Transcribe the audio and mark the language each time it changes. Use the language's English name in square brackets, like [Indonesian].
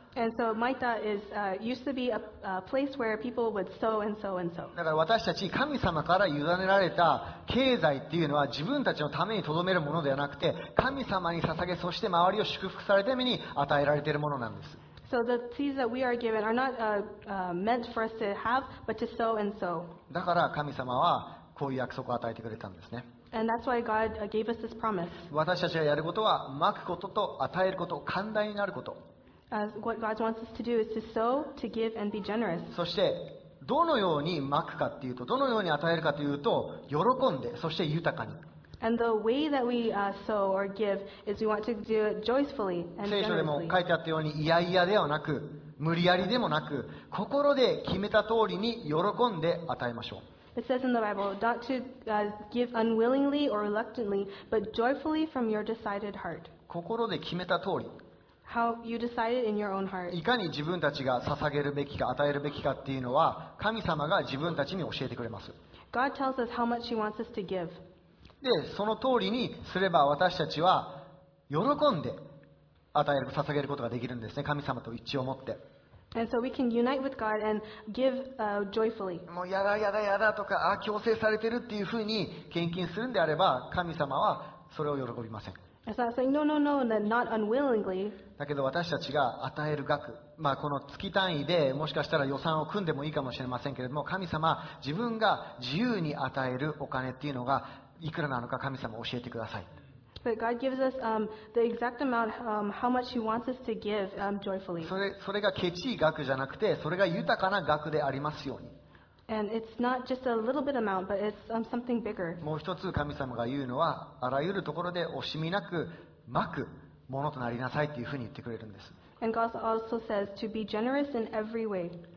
[English] And so Maita is used to be a place where people would sow and sow and sow. [Japanese] だから私たち神様から委ねられた経済っていうのは自分たちのためにとどめるものではなくて、神様に捧げ、そして周りを祝福されるために与えられているものなんです。 [English] So the seeds that we are given are not meant for us to have, but to sow and sow. [Japanese] だから神様はこういう約束を与えてくれたんですね。 [English] And that's why God gave us this promise. [Japanese] 私たちがやることは、まくことと与えること、寛大になること。 [English] What God wants us to do is to sow, to give, and be generous. [Japanese] そして、どのようにまくかっていうと、どのように与えるかというと、喜んで、そして豊かに。 [English] And the way that we sow or give is we want to do it joyfully and generously. [Japanese] 聖書でも書いてあったように、いやいやではなく、無理やりでもなく、心で決めた通りに喜んで与えましょう。 [English] It says in the Bible, not to give unwillingly or reluctantly, but joyfully from your decided heart. [Japanese] 心で決めた通り。 [English] How you decided in your own heart. [Japanese] いかに自分たちが捧げるべきか、与えるべきかっていうのは、神様が自分たちに教えてくれます。 [English] God tells us how much He wants us to give. [Japanese] で、その通りにすれば私たちは喜んで与える、捧げることができるんですね。神様と一致を持って。 [English] And so we can unite with God and give joyfully. [Japanese] もうやだやだやだとか、強制されてるっていうふうに献金するんであれば、神様はそれを喜びません。 [English] It's not saying, no, no, no, not unwillingly. [Japanese] だけど私たちが与える額、まあ、この月単位でもしかしたら予算を組んでもいいかもしれませんけれども、神様、自分が自由に与えるお金っていうのがいくらなのか神様教えてください。 [English] But God gives us the exact amount, how much He wants us to give joyfully. [Japanese] それがケチい額じゃなくて、それが豊かな額でありますように。 [English] And it's not just a little bit amount, but it's something bigger. [Japanese] もう一つ神様が言うのは、あらゆるところで惜しみなくまくものとなりなさいというふうに言ってくれるんです。 [English] And God also says to be generous in every way.